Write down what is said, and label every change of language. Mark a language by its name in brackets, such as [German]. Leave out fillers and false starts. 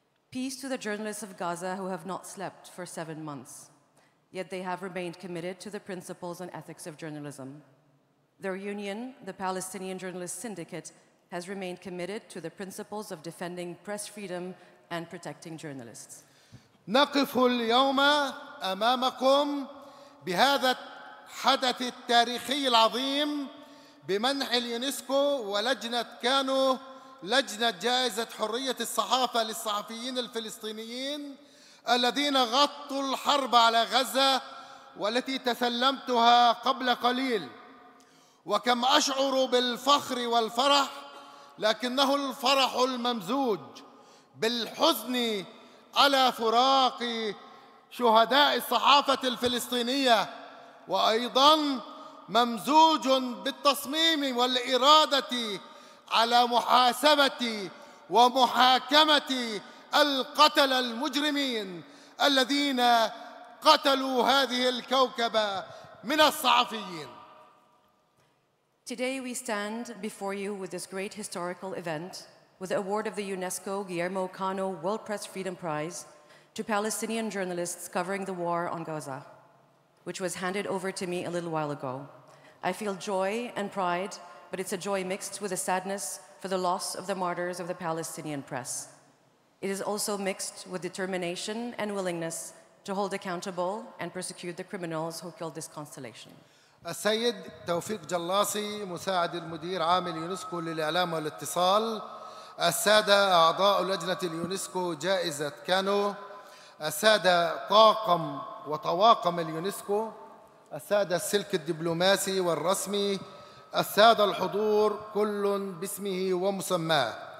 [English] Peace to the journalists of Gaza who have not slept for 7 months, yet they have remained committed to the principles and ethics of journalism. Their union, the Palestinian Journalist Syndicate, has remained committed to the principles of defending press freedom and protecting journalists. [Arabic] نقف اليوم أمامكم بهذا الحدث التاريخي العظيم بمنح اليونسكو ولجنة كانو لجنة جائزة حرية الصحافة للصحفيين الفلسطينيين الذين غطوا الحرب على غزة والتي تسلمتها قبل قليل. وكم أشعر بالفخر والفرح، لكنه الفرح الممزوج بالحزن على فراق شهداء الصحافة الفلسطينية، وأيضاً ممزوج بالتصميم والإرادة على محاسبة ومحاكمة القتلة المجرمين الذين قتلوا هذه الكوكبة من الصحفيين. [English] Today we stand before you with this great historical event, with the award of the UNESCO Guillermo Cano World Press Freedom Prize to Palestinian journalists covering the war on Gaza, which was handed over to me a little while ago. I feel joy and pride, but it's a joy mixed with a sadness for the loss of the martyrs of the Palestinian press. It is also mixed with determination and willingness to hold accountable and prosecute the criminals who killed this constellation. [Arabic] السيد توفيق جلاسي مساعد المدير عام اليونسكو للإعلام والاتصال، السادة أعضاء لجنة اليونسكو جائزة كانو، السادة طاقم وطواقم اليونسكو، السادة السلك الدبلوماسي والرسمي، السادة الحضور كل باسمه ومسماه،